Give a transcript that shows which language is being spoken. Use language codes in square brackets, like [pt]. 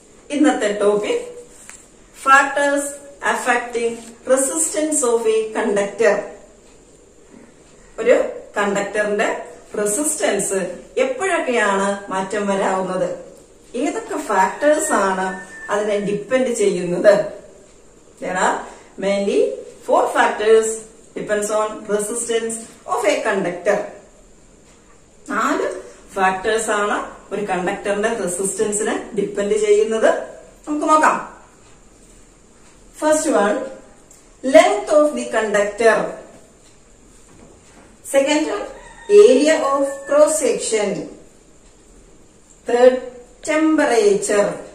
[en] ഇന്നത്തെ topic factors affecting resistance of a conductor. [ml] ഒരു കണ്ടക്ടറിന്റെ resistance എപ്പോഴൊക്കെയാണ് മാറ്റം വരാവുന്നത്, ഏതൊക്കെ ഫാക്ടേഴ്സ് ആണ് അതിനെ ഡിപ്പെൻഡ് ചെയ്യുന്നത്. [en] There are mainly four factors depends on resistance of a conductor. [ml] നാല് ഫാക്ടേഴ്സ് ആണ് ഒരു കണ്ടക്ടറിന്റെ റെസിസ്റ്റൻസിനെ ഡിപ്പെൻഡ് ചെയ്യുന്നത്. നമുക്ക് നോക്കാം. [en] First one, length of the conductor. Second, area of cross section. Third, temperature.